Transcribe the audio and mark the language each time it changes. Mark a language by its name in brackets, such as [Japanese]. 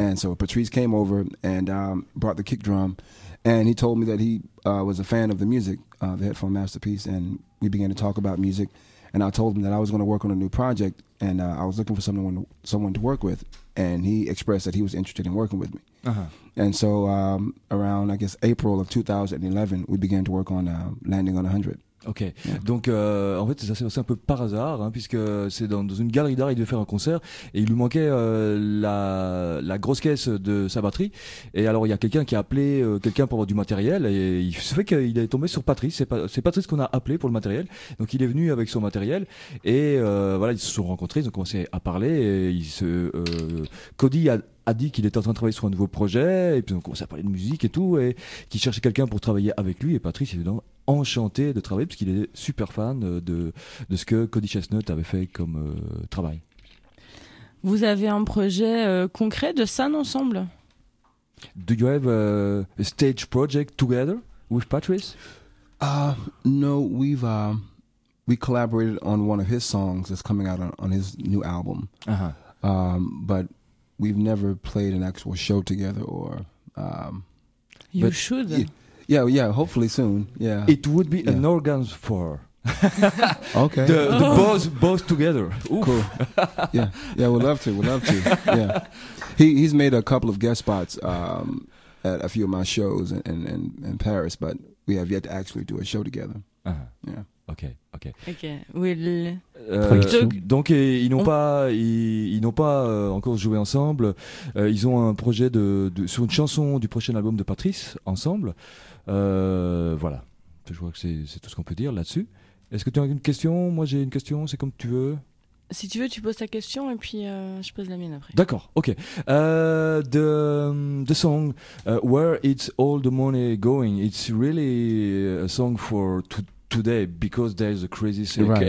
[English] And so Patrice came over and brought the kick drum, and he told me that he was a fan of the music, the Headphone Masterpiece, and we began to talk about music. And I told him that I was going to work on a new project, and I was looking for someone to work with, and he expressed that he was interested in working with me. Uh-huh. And so around, I guess, April of 2011, we began to work on Landing on 100. [French] Ok, donc en fait ça s'est passé un peu par hasard, hein, puisque c'est dans une galerie d'art, il devait faire un concert et il lui manquait la grosse caisse de sa batterie. Et alors il y a quelqu'un qui a appelé quelqu'un pour avoir du matériel, et il se fait qu'il est tombé sur Patrice. C'est Patrice qu'on a appelé pour le matériel. Donc il est venu avec son matériel, et voilà, ils se sont rencontrés, ils ont commencé à parler, et Cody a dit qu'il était en train de travailler sur un nouveau projet, et puis on commence à parler de musique et tout, et qu'il cherchait quelqu'un pour travailler avec lui. Et Patrice, évidemment, enchanté de travailler, parce qu'il est super fan de ce que Cody Chestnut avait fait comme travail. Vous avez un projet concret de scène ensemble? [English] Do you have a stage project together with Patrice? No, we collaborated on one of his songs that's coming out on his new album. Uh-huh. But we've never played an actual show together, or you should. Yeah, hopefully soon. Yeah. It would be an organ for. Okay. The both together. Oof. Cool. Yeah, we'd love to. Yeah. He's made a couple of guest spots at a few of my shows in Paris, but we have yet to actually do a show together. Uh-huh. Yeah. Ok. Will. [French] Donc ils n'ont pas encore joué ensemble. Ils ont un projet de sur une chanson du prochain album de Patrice ensemble. Voilà. Je crois que c'est tout ce qu'on peut dire là-dessus. Est-ce que tu as une question? Moi j'ai une question. C'est comme tu veux. Si tu veux, tu poses ta question et puis je pose la mienne après. D'accord, ok. [English] The song, Where It's All The Money Going, it's really a song for today because there's a crisis, right.